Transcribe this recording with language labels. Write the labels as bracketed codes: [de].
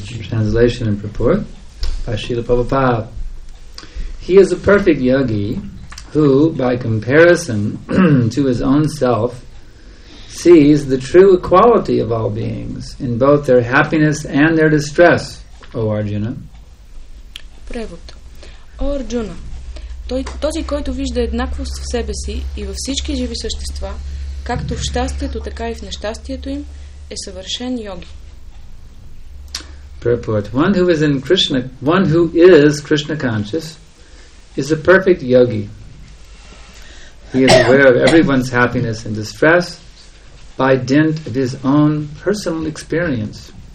[en] Translation and purport by Srila Prabhupada. He is a perfect yogi who, by comparison to his own self, sees the true equality of all beings in both their happiness and their distress, O Arjuna. [bg] Превод. О Арджуна, този, който вижда еднаквост в себе си и във всички живи същества, както в щастието, така и в нещастието им, е съвършен йоги. [en] Purport. One who is Krishna conscious is a perfect yogi. He is aware of everyone's happiness and distress by dint of his own personal experience.